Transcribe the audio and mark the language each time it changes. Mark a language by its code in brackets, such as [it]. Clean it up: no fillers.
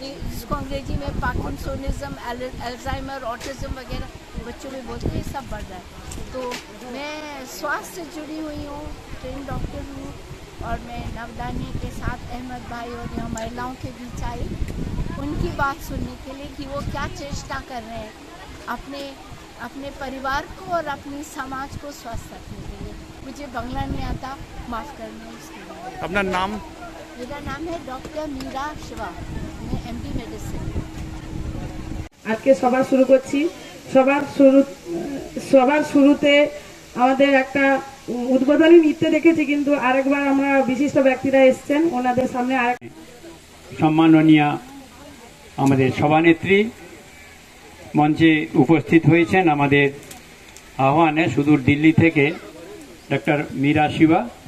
[hi] जिसको अंग्रेजी में पार्किंसोनिज्म अल्जाइमर ऑटिज्म वगैरह बच्चों में बोलते हैं सब बढ़ रहा है तो मैं स्वास्थ्य से जुड़ी हुई हूँ ट्रेन डॉक्टर हूँ और मैं नवदानी के साथ अहमद भाई और यहाँ महिलाओं के बीच आई उनकी बात सुनने के लिए कि वो क्या चेष्टा कर रहे हैं अपने अपने परिवार को और अपनी समाज को स्वस्थ रखने के लिए। मुझे बंगला नहीं आता माफ़ करना उसके लिए। अपना नाम? मेरा नाम है डॉक्टर मीरा शिवा, मैं MD मेडिसिन। आज के सभा शुरू कर सभा शुरू [bn] আমাদের একটা উদ্বোধনী নৃত্য দেখেছি কিন্তু আরেকবার আমরা বিশিষ্ট ব্যক্তিরা এসেছেন ওনাদের সামনে। সম্মাননীয় আমাদের সভানেত্রী মঞ্চে উপস্থিত হয়েছেন আমাদের আহ্বানে সুদূর দিল্লি থেকে ডক্টর মীরা শিবা